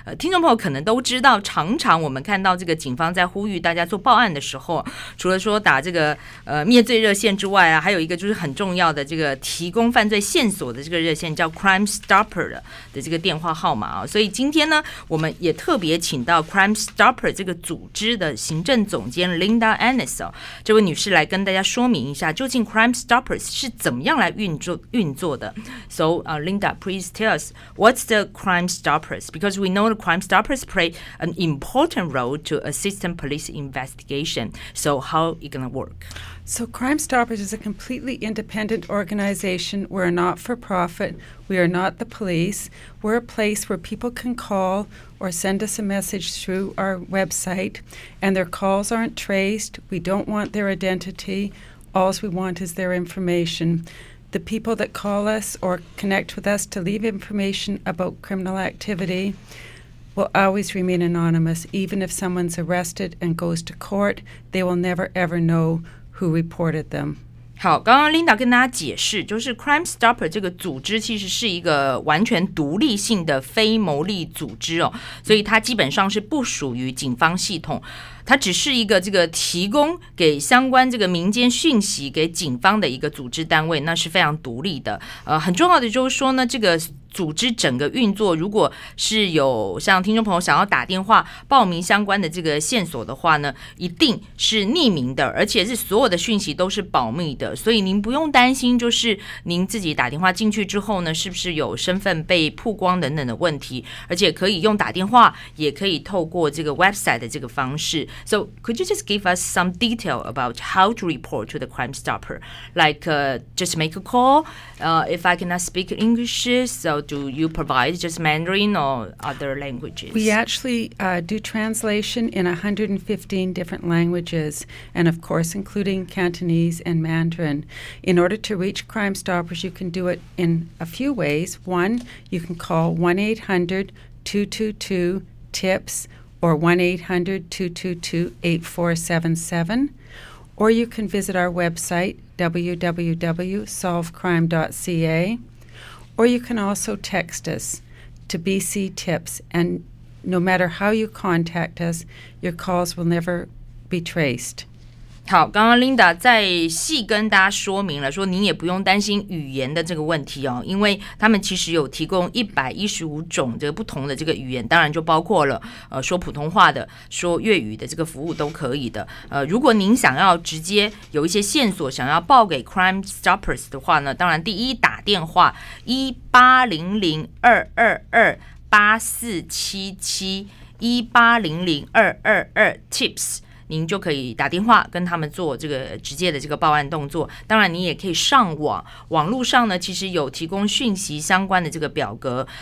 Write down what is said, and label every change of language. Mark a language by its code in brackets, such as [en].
[zh] 听众朋友可能都知道，常常我们看到这个警方在呼吁大家做报案的时候，除了说打这个灭罪热线之外啊，还有一个就是很重要的这个提供犯罪线索的这个热线，叫 Crime Stopper 的这个电话号码啊。所以今天呢，我们也特别请到 Crime Stopper 这个组织的行政总监 Linda Ennis 哦，这位女士来跟大家说明一下究竟 Crime Stoppers 是怎么样来运作的。 [en] So Linda, please tell us, what's the Crime Stoppers? Because we know the Crime Stoppers play an important role to assist in police investigation. So how is it going to work? So Crime Stoppers is a completely independent organization. We're not for profit. We are not the police. We're a place where people can call or send us a message through our website, and their calls aren't traced. We don't want their identity. All we want is their information. The people that call us or connect with us to leave information about criminal activity will always remain anonymous. Even if someone's arrested and goes to court, they will never ever know who reported them. [zh] 好，刚刚 Linda 跟大家解释，就是 Crime Stopper 这个组织其实是一个完全独立性的非牟利组织哦，所以它基本上是不属于警方系统，它只是一个这个提供给相关这个民间讯息给警方的一个组织单位，那是非常独立的。很重要的就是说呢，这个组织整个运作，如果是有像听众朋友想要打电话报名相关的这个线索的话呢，一定是匿名的，而且是所有的讯息都是保密的，所以您不用担心就是您自己打电话进去之后呢，是不是有身份被曝光等等的问题，而且可以用打电话，也可以透过这个 website 的这个方式。 [en] So could you just give us some detail about how to report to the Crime Stopper? Like just make a call, if I cannot speak English, So do you provide just Mandarin or other languages? We actually do translation in 115 different languages, and of course including Cantonese and Mandarin. In order to reach Crime Stoppers, you can do it in a few ways. One, you can call 1-800-222-TIPS or 1-800-222-8477, or you can visit our website, www.solvecrime.ca,Or you can also text us to BC Tips, and no matter how you contact us, your calls will never be traced. [zh] 好，刚刚 Linda 在细跟大家说明了，说您也不用担心语言的这个问题哦，因为他们其实有提供115种这个不同的这个语言，当然就包括了说普通话的、说粤语的这个服务都可以的。如果您想要直接有一些线索想要报给 Crime Stoppers 的话呢，当然第一打电话18002228477 18002228477您就可以打电话跟他们做这个直接的这个报案动作，当然你也可以上网，网络上呢其实有提供讯息相关的这个表格。